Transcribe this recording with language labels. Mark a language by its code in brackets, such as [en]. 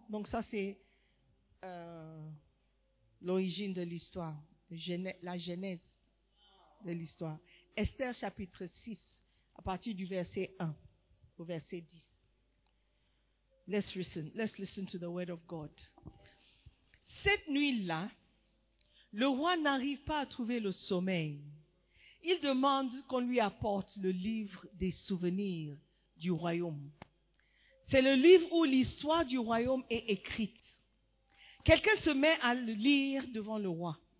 [fr] Donc ça, c'est l'origine de l'histoire. La genèse de l'histoire. Esther chapitre 6, à partir du verset 1 au verset 10. [en] Let's listen to the word of God. [fr] Cette nuit-là, le roi n'arrive pas à trouver le sommeil. Il demande qu'on lui apporte le livre des souvenirs du royaume. C'est le livre où l'histoire du royaume est écrite. Quelqu'un se met à le lire devant le roi.